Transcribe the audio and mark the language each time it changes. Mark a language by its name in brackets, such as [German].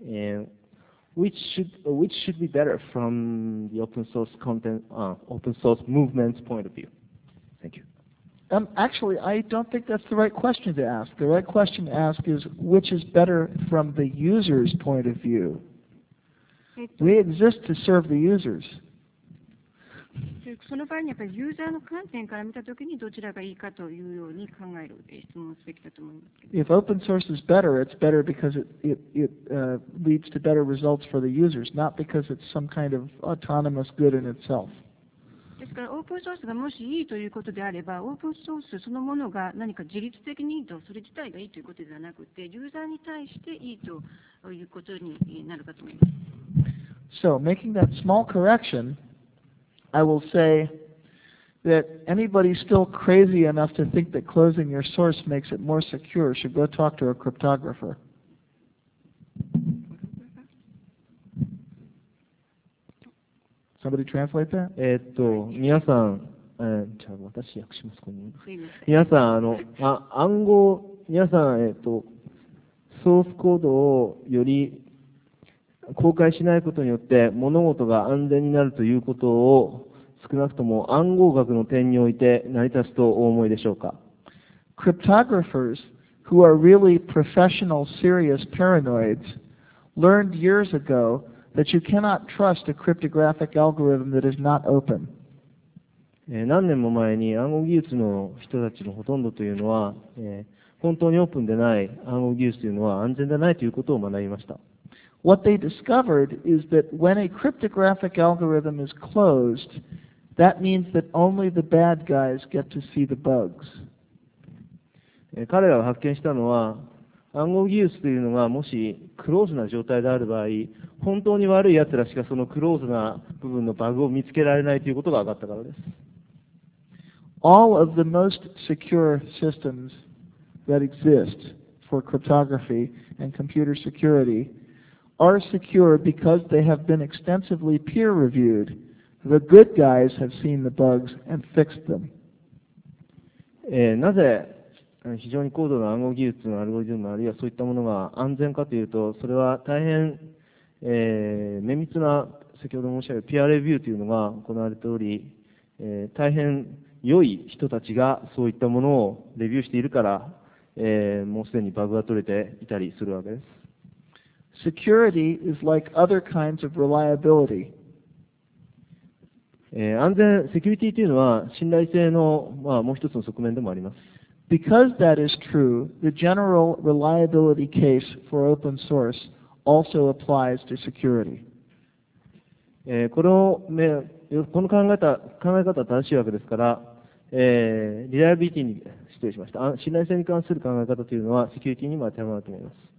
[English] And which should be better from the open source content, open source movement's point of view? Thank you. Actually, I don't think that's the right question to ask. The right question to ask is, which is better from the user's point of view? We exist to serve the users. [Japanese] その場合にやっぱりユーザーの観点から見たときにどちらがいいかというように考える質問をすべきだと思います。 [English] If open source is better, it's better because it leads to better results for the users, not because it's some kind of autonomous good in itself. [Japanese] ですからオープンソースがもしいいということであればオープンソースそのものが何か自律的にいいとそれ自体がいいということではなくてユーザーに対していいということになるかと思います。 [English] So, making that small correction,I will say that anybody still crazy enough to think that closing your source makes it more secure should go talk to a cryptographer. Somebody translate that? [Japanese] 皆さん、じゃあ私訳しますかね。皆さん、暗号、皆さん、ソースコードをより公開しないことによって物事が安全になるということを少なくとも暗号学の点において成り立つとお思いでしょうか。 [English] Cryptographers who are really professional serious paranoids learned years ago that you cannot trust a cryptographic algorithm that is not open. [Japanese] 何年も前に暗号技術の人たちのほとんどというのは、本当にオープンでない暗号技術というのは安全でないということを学びました。 [English] What they discovered is that when a cryptographic algorithm is closed,That means that only the bad guys get to see the bugs. [Japanese] 彼らが発見したのは、暗号技術というのがもしクローズな状態である場合、本当に悪い奴らしかそのクローズな部分のバグを見つけられないということが分かったからです。 [English] All of the most secure systems that exist for cryptography and computer security are secure because they have been extensively peer-reviewed. The good guys have seen the bugs and fixed them. [Japanese] なぜ非常に高度な暗号技術のアルゴリズム、あるいはそういったものが安全かというと、それは大変、綿密な、先ほど申し上げたピアレビューというのが行われており、大変良い人たちがそういったものをレビューしているから、もうすでにバグが取れていたりするわけです。 [English] Security is like other kinds of reliability. [Japanese] 安全、セキュリティというのは信頼性の、もう一つの側面でもあります。 [English] Because that is true, the general reliability case for open source also applies to security. [Japanese] この考え方は正しいわけですから、リライアビリティに、失礼しました。信頼性に関する考え方というのはセキュリティにも当てはまると思います。